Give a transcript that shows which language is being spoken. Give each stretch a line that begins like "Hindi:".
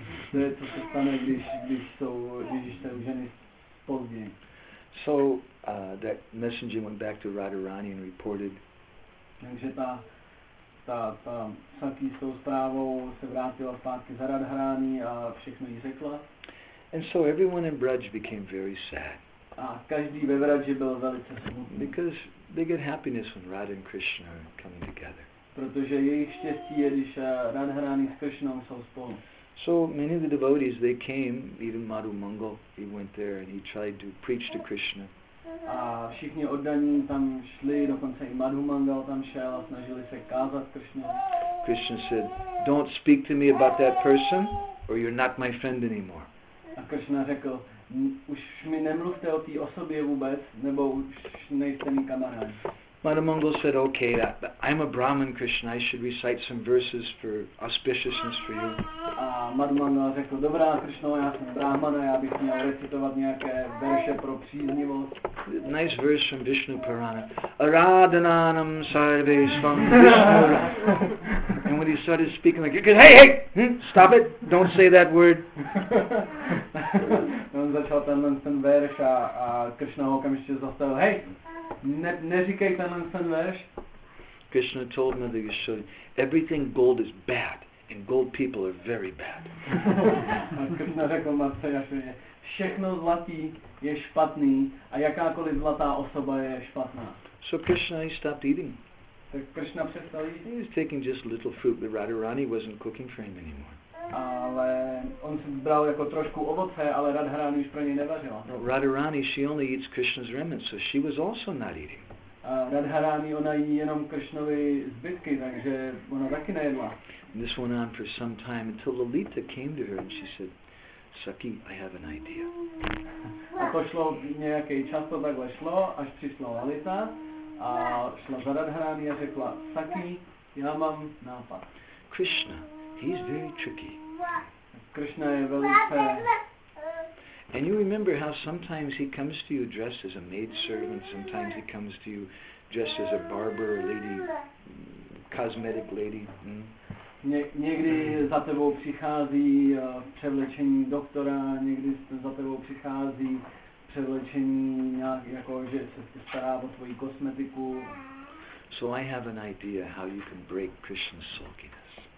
Czech: To je to, co stane, když jsou ženy spozdě.
English: So that messenger went back to Radharani and reported.
Czech: Takže ta Sakhi s tou zprávou se vrátila zpátky za Radharani a všechno jí řekla.
English: And so everyone in Braj became very sad.
Czech: A každý ve Braji byl velice smutný.
English: Because they get happiness when Radha and Krishna are coming together.
Czech: Protože jejich štěstí je, když Radharani s Krishnou jsou spolu.
English: So many of the devotees, they came, even Madhu Mangal, he went there and he tried to preach to Krishna.
Czech: A všichni oddaní tam šli, dokonce i Madhu Mangal tam šel a snažili se kázat Krishna.
English: Krishna said, don't speak to me about that person or you're not my friend anymore.
Czech: A Krishna řekl, už mi nemluvte o té osobě vůbec, nebo už nejste mý kamarád.
English: Madhu Mangal said, okay, I'm a Brahmin, Krishna, I should recite some verses for auspiciousness for you.
Czech: A Madhu Mangal řekl, dobrá, Krishna, já jsem Brahman a já bych měl recitovat nějaké verše pro příznivost.
English: Nice verse from Vishnu Purana.
Sanskrit: Aradhananam sarve svam Vishnura.
English: And when he started speaking like, stop it, don't say that word.
Czech: On začal ten verš a Krishna ho okamžitě zastavil, hej! Neříkej tenhle ten verš.
English: Krishna told Mother Yashoda, everything gold is bad, and gold people are very bad.
Czech: Krishna řekl Matce Yashodě, všechno zlatý je špatný, a jakákoliv zlatá osoba je špatná.
English: So Krishna, he stopped eating.
Czech: Tak Krishna přestal jít.
English: He was taking just little fruit, but Radharani wasn't cooking for him anymore.
Czech: Ale on si bral jako trošku ovoce, ale Radharani už pro něj nevařila.
English: No, Radharani, she only eats Krishna's remnants, so she was also not eating.
Czech: A Radharani, ona jí jenom Krishnovy zbytky, takže ona taky nejedla.
English: And this went on for some time, until Lalita came to her and she said, Sakhi, I have an idea.
Czech: A to šlo nějaký čas, to takhle šlo, až přišla Lalita a šla za Radharani a řekla, Sakhi, já mám nápad.
English: Krishna, he's very tricky.
Czech: Krishna je velice.
English: And you remember how sometimes he comes to you dressed as a maid servant, sometimes he comes to you dressed as a barber lady, cosmetic lady.
Czech: Někdy za tebou přichází převlečení doktora, někdy za tebou přichází převlečení nějak jako že se stará o tvoji kosmetiku.
English: So I have an idea how you can break Krishna's sulkiness.